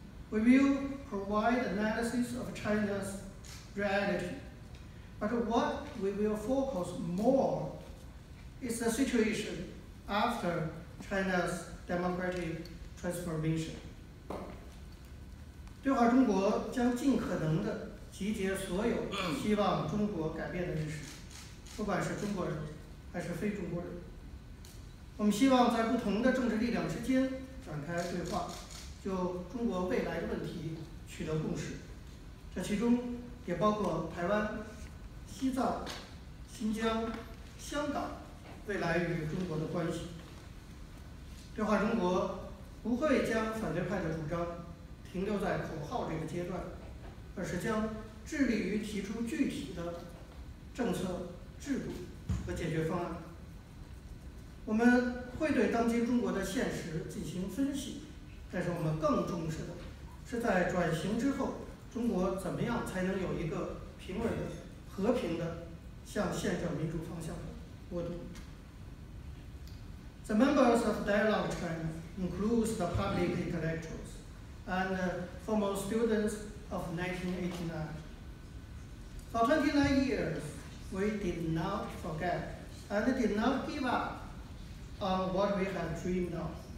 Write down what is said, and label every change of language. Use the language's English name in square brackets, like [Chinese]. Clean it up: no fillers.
[English] We will provide analysis of China's reality. But what we will focus more is the situation after China's democratic transformation. [Chinese] 对话中国将尽可能地集结所有希望中国改变的人士，不管是中国人还是非中国人。我们希望在不同的政治力量之间展开对话，就中国未来的问题取得共识。这其中也包括台湾、西藏、新疆、香港未来与中国的关系。对话中国不会将反对派的主张停留在口号这个阶段，而是将致力于提出具体的政策、制度和解决方案。我们会对当今中国的现实进行分析，但是我们更重视的是在转型之后，中国怎么样才能有一个平稳的、和平的向宪政民主方向的过渡。 [English] The members of Dialogue China includes the public intellectuals, and former students of 1989. For 29 years, we did not forget and did not give up on what we had dreamed of.